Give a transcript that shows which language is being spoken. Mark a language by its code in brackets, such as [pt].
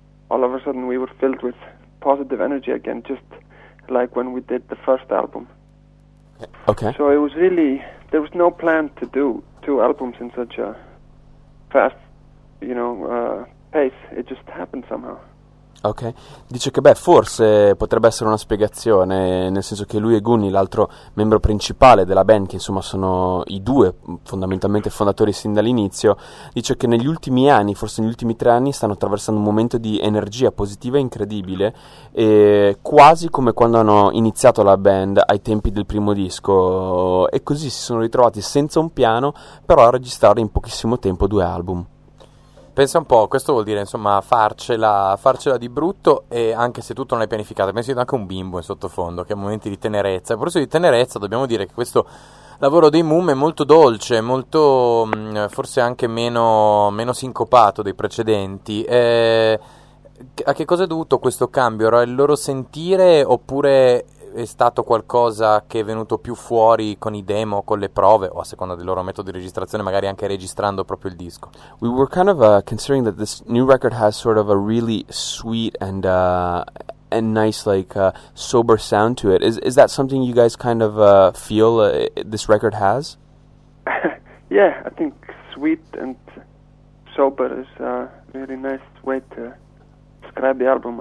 [en] All of a sudden, we were filled with positive energy again, just like when we did the first album. Okay. So it was really, there was no plan to do 2 albums in such a fast, you know, pace. It just happened somehow. [it] Ok, dice che beh, forse potrebbe essere una spiegazione, nel senso che lui e Gunny, l'altro membro principale della band, che insomma sono i due fondamentalmente fondatori sin dall'inizio, dice che negli ultimi anni, forse negli ultimi 3 anni, stanno attraversando un momento di energia positiva incredibile, e quasi come quando hanno iniziato la band ai tempi del primo disco, e così si sono ritrovati senza un piano, però a registrare in pochissimo tempo 2 album. Pensa un po', questo vuol dire insomma farcela di brutto, e anche se tutto non è pianificato, penso anche un bimbo in sottofondo, che ha momenti di tenerezza. Per questo di tenerezza dobbiamo dire che questo lavoro dei Moom è molto dolce, molto forse anche meno sincopato dei precedenti. A che cosa è dovuto questo cambio? Era il loro sentire, oppure è stato qualcosa che è venuto più fuori con i demo, con le prove, o a seconda del loro metodo di registrazione, magari anche registrando proprio il disco? [en] We were kind of considering that this new record has sort of a really sweet and nice, like, sober sound to it. Is that something you guys kind of feel this record has? Yeah, I think sweet and sober is a really nice way to describe the album.